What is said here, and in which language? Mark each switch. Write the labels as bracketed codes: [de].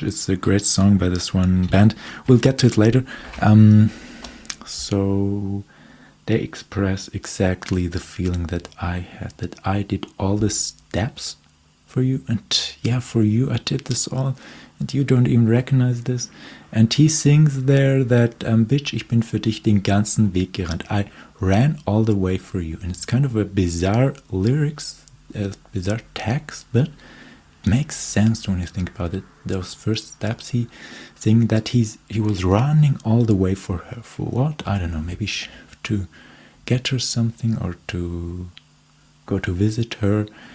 [en] It's a great song by this one band. We'll get to it later. So, they express exactly the feeling that I had, that I did all the steps for you. And, yeah, for you, I did this all. And you don't even recognize this. And he sings there that, Bitch, [de] ich bin für dich den ganzen Weg gerannt. [en] I ran all the way for you. And it's kind of a bizarre lyrics. A bizarre text, but it makes sense when you think about it. Those first steps, he saying that he was running all the way for her. For what? I don't know. Maybe to get her something or to go to visit her.